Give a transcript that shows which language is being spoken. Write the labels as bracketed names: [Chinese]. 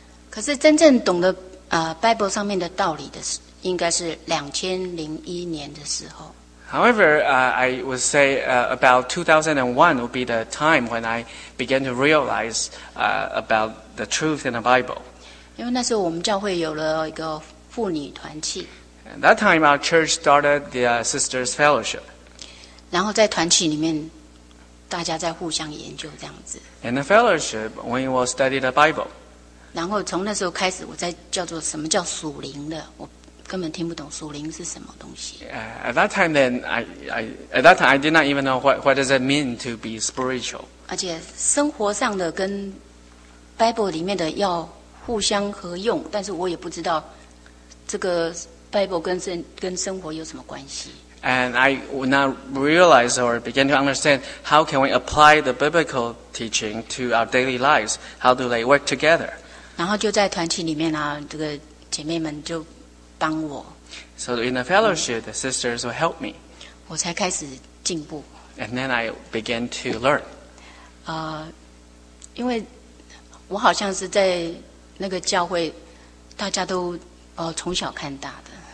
[Chinese] 可是真正懂得Bible 上面的道理的应该是2001年的时候 [English] However, I would say about 2001 would be the time when I began to realize about the truth in the Bible. [Chinese] 因为那时候我们教会有了一个妇女团契。 [English] And that time our church started the sisters fellowship. [Chinese] 然后在团契里面大家在互相研究这样子。 [English] In the fellowship, we will study the Bible. [Chinese] 然后从那时候开始我在叫做什么叫属灵的我根本听不懂属灵是什么东西。 [English] At that time, then I at that time I did not even know what does it mean to be spiritual. [Chinese] 而且生活上的跟 Bible 里面的要互相合用，但是我也不知道这个 Bible 跟生活有什么关系。 [English] And I would not realize or begin to understand how can we apply the biblical teaching to our daily lives? How do they work together? [Chinese] 然后就在团契里面啊，这个姐妹们就。帮我 [English] So in the fellowship, the sisters will help me. [Chinese] 我才开始进步。 [English] And then I began to learn. [Chinese] 因为我好像是在那个教会，大家都从小看大的。